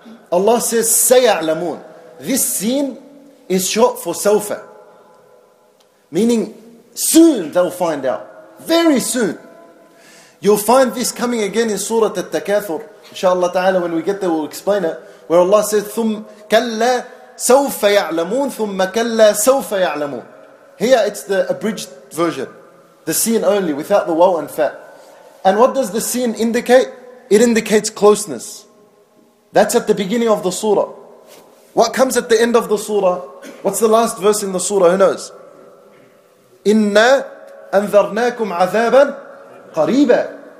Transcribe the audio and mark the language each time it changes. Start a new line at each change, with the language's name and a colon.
English: Allah says سيعلمون. This scene is short for سوف. Meaning, soon they'll find out. Very soon. You'll find this coming again in Surat Al-Takathur. InshaAllah ta'ala, when we get there, we'll explain it. Where Allah says,
Arabic: ثم كلا سوف يعلمون ثم كلا سوف يعلمون.
English: Here it's the abridged version. The scene only, without the waw and fa. And what does the scene indicate? It indicates closeness. That's at the beginning of the surah. What comes at the end of the surah? What's the last verse in the surah? Who knows?
Arabic: Inna anzarnakum azaban qariba.